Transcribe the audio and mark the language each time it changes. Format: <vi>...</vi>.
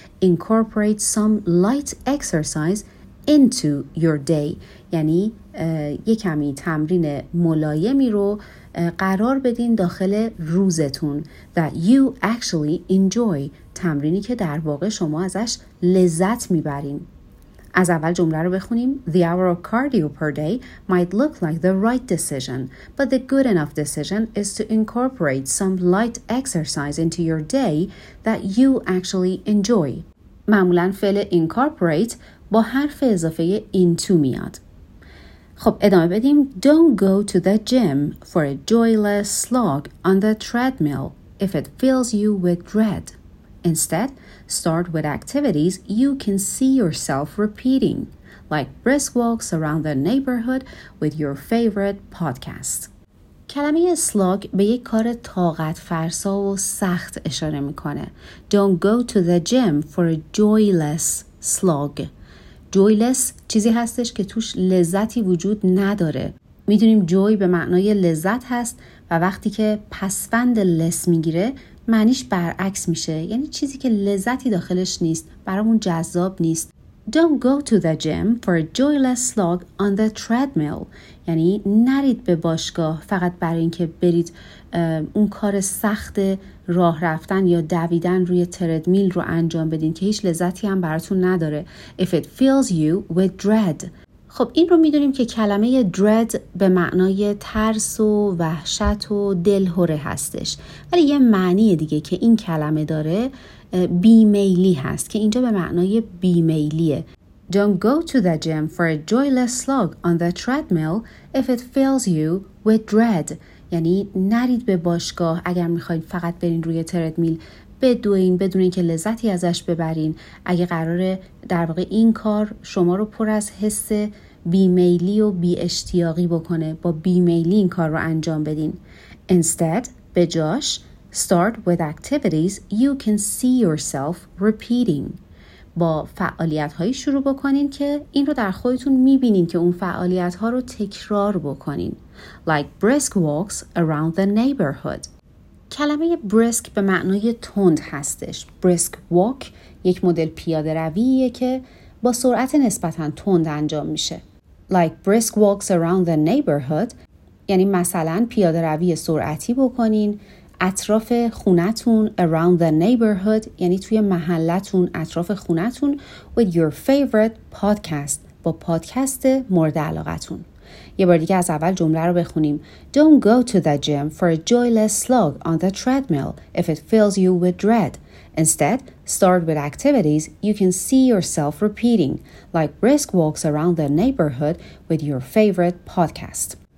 <en>Incorporate some light exercise into your day.</en> <fa>یعنی یک کمی تمرین ملایمی رو قرار بدین داخل روزتون.</fa> <en>That you actually enjoy.</en> <fa>تمرینی که در واقع شما ازش لذت میبرین. از اول جمله رو بخونیم.</fa> <en>The hour of cardio per day might look like the right decision, but the good enough decision is to incorporate some light exercise into your day that you actually enjoy.</en> <fa>معمولاً فعل incorporate با حرف اضافه into میاد. خب ادامه بدیم.</fa> <en>Don't go to the gym for a joyless slog on the treadmill if it fills you with dread. Instead, start with activities you can see yourself repeating, like brisk walks around the neighborhood with your favorite podcast.</en> <fa>کلمه slog به یک کار طاقت فرسا و سخت اشاره میکنه.</fa> <en>Don't go to the gym for a joyless slog.</en> <fa>Joyless چیزی هستش که توش لذتی وجود نداره. میدونیم joy به معنای لذت هست و وقتی که پسوند less میگیره معنیش برعکس میشه، یعنی چیزی که لذتی داخلش نیست، برامون جذاب نیست.</fa> <en>Don't go to the gym for a joyless slog on the treadmill.</en> <fa>یعنی نرید به باشگاه فقط برای اینکه برید اون کار سخت راه رفتن یا دویدن روی تردمیل رو انجام بدین که هیچ لذتی هم براتون نداره.</fa> <en>If it fills you with dread.</en> <fa>خب این رو میدونیم که کلمه dread به معنای ترس و وحشت و دلهوره هستش. ولی یه معنی دیگه که این کلمه داره بیمیلی هست که اینجا به معنای بیمیلیه.</fa> <en>Don't go to the gym for a joyless slog on the treadmill if it fills you with dread.</en> <fa>یعنی نرید به باشگاه اگر میخواید فقط برین روی تردمیل بدوین بدون اینکه لذتی ازش ببرین. اگه قراره در واقع این کار شما رو پر از حس بیمیلی و بی اشتیاقی بکنه، با بیمیلی این کار رو انجام بدین.</fa> <en>Instead,</en> <fa>به جاش,</fa> <en>start with activities you can see yourself repeating.</en> <fa>با فعالیت‌هایی شروع بکنین که این رو در خودتون می‌بینین که اون فعالیت‌ها رو تکرار بکنین.</fa> <en>Like brisk walks around the neighborhood.</en> <fa>کلمه brisk به معنای تند هستش. Brisk walk یک مدل پیاده رویه که با سرعت نسبتاً تند انجام میشه.</fa> <en>Like brisk walks around the neighborhood</en> <fa>یعنی مثلا پیاده روی سرعتی بکنین اطراف خونتون.</fa> <en>Around the neighborhood</en> <fa>یعنی توی محلتون اطراف خونتون.</fa> <en>With your favorite podcast</en> <fa>با پادکست مورد علاقتون. یه بار دیگه از اول جمله رو بخونیم.</fa> <en>Don't go to the gym for a joyless slog on the treadmill if it fills you with dread. Instead, start with activities you can see yourself repeating, like brisk walks around the neighborhood with your favorite podcast.</en>